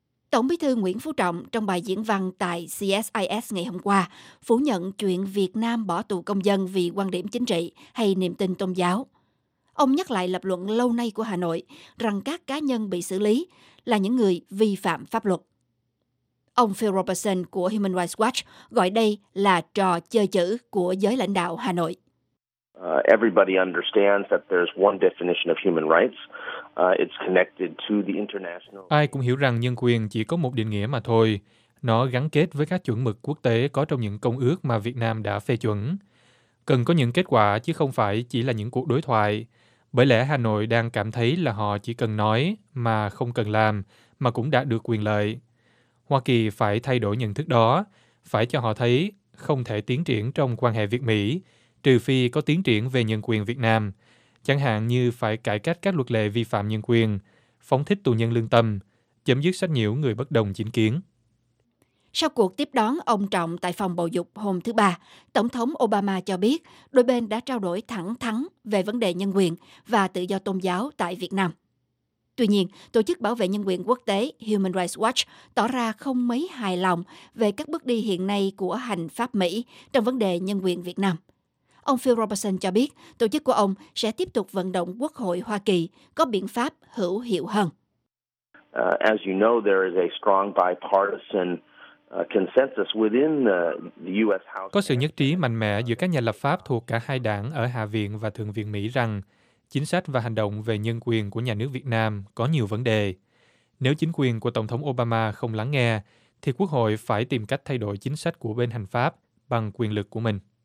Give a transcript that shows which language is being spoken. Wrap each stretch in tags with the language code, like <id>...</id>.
<vi>Tổng bí thư Nguyễn Phú Trọng trong bài diễn văn tại CSIS ngày hôm qua phủ nhận chuyện Việt Nam bỏ tù công dân vì quan điểm chính trị hay niềm tin tôn giáo. Ông nhắc lại lập luận lâu nay của Hà Nội rằng các cá nhân bị xử lý là những người vi phạm pháp luật. Ông Phil Robertson của Human Rights Watch gọi đây là trò chơi chữ của giới lãnh đạo Hà Nội.</vi> <en>Everybody understands that there's one definition of human rights. It's connected to the international.</en> <vi>Ai cũng hiểu rằng nhân quyền chỉ có một định nghĩa mà thôi. Nó gắn kết với các chuẩn mực quốc tế có trong những công ước mà Việt Nam đã phê chuẩn. Cần có những kết quả chứ không phải chỉ là những cuộc đối thoại. Bởi lẽ Hà Nội đang cảm thấy là họ chỉ cần nói mà không cần làm mà cũng đạt được quyền lợi. Hoa Kỳ phải thay đổi nhận thức đó, phải cho họ thấy không thể tiến triển trong quan hệ Việt-Mỹ, trừ phi có tiến triển về nhân quyền Việt Nam. Chẳng hạn như phải cải cách các luật lệ vi phạm nhân quyền, phóng thích tù nhân lương tâm, chấm dứt sách nhiễu người bất đồng chính kiến. Sau cuộc tiếp đón ông Trọng tại phòng bầu dục hôm thứ Ba, Tổng thống Obama cho biết đôi bên đã trao đổi thẳng thắn về vấn đề nhân quyền và tự do tôn giáo tại Việt Nam. Tuy nhiên, Tổ chức Bảo vệ Nhân quyền Quốc tế Human Rights Watch tỏ ra không mấy hài lòng về các bước đi hiện nay của hành pháp Mỹ trong vấn đề nhân quyền Việt Nam. Ông Phil Robertson cho biết tổ chức của ông sẽ tiếp tục vận động Quốc hội Hoa Kỳ có biện pháp hữu hiệu hơn.</vi> <en>As you know, there is a strong bipartisan consensus within the U.S. House.</en> <vi>Có sự nhất trí mạnh mẽ giữa các nhà lập pháp thuộc cả hai đảng ở Hạ viện và Thượng viện Mỹ rằng chính sách và hành động về nhân quyền của nhà nước Việt Nam có nhiều vấn đề. Nếu chính quyền của Tổng thống Obama không lắng nghe, thì Quốc hội phải tìm cách thay đổi chính sách của bên hành pháp bằng quyền lực của mình.</vi>